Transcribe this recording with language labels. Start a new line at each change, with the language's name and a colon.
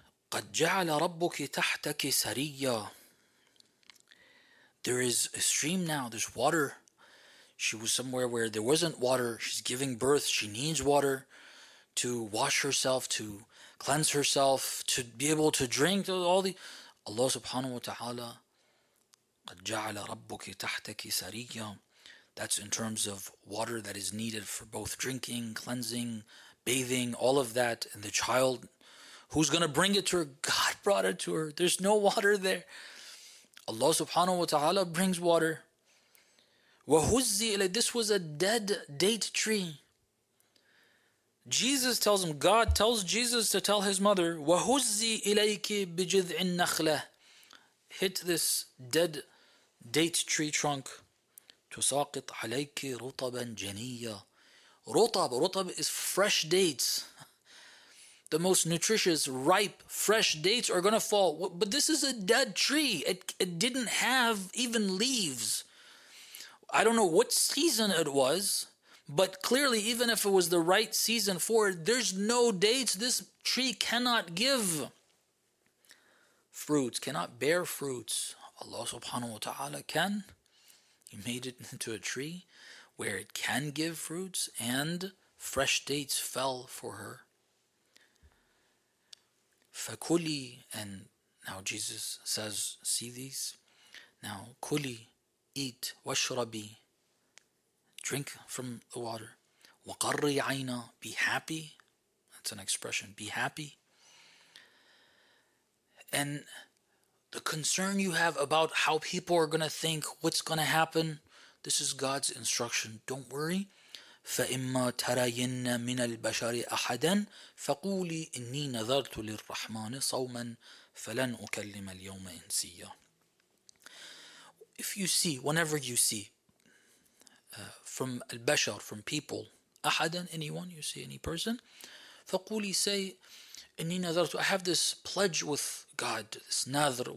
Arabic: قَدْ جَعَلَ رَبُّكِ تَحْتَكِ سَرِيَّا.
English: There is a stream now, there's water. She was somewhere where there wasn't water. She's giving birth, she needs water to wash herself, to cleanse herself, to be able to drink, all the...
Arabic: Allah subhanahu wa ta'ala, قَدْ جَعَلَ رَبُّكِ تَحْتَكِ سَرِيَّا. That
English: That's in terms of water that is needed for both drinking, cleansing, bathing, all of that. And the child, who's going to bring it to her? God brought it to her. There's no water there. Allah subhanahu wa ta'ala brings water. This was a dead date tree. Jesus tells him, God tells Jesus to tell his mother,
Arabic: وَهُزِّي إِلَيْكِ بِجِذْعِ النَّخْلَةِ
English: Hit this dead date tree trunk.
Arabic: تُسَاقِطْ عَلَيْكِ رُطَبًا جَنِيًّا رُطَب, رُطَب
English: is fresh dates. The most nutritious, ripe, fresh dates are going to fall. But this is a dead tree. It didn't have even leaves. I don't know what season it was. But clearly, even if it was the right season for it, there's no dates. This tree cannot give fruits, cannot bear fruits. Allah subhanahu wa ta'ala can. He made it into a tree where it can give fruits, and fresh dates fell for her. Fakuli, and now Jesus says, see these? Now, kuli, eat, washrabi. Drink from the water.
Arabic: وَقَرِّ عَيْنَا
English: Be happy. That's an expression. Be happy. And the concern you have about how people are going to think, what's going to happen, this is God's instruction. Don't worry.
Arabic: فَإِمَّا تَرَيِنَّ مِنَ الْبَشَرِ أَحَدًا فَقُولِ إِنِّي نَذَرْتُ لِلرَّحْمَنِ صَوْمًا فَلَنْ أُكَلِّمَ الْيَوْمَ إِنْسِيًّا
English: If you see, whenever you see, from al-bashar, from people, ahadan, anyone, you see any person, faquli, say, inni nadhartu, I have this pledge with God, this nadhr.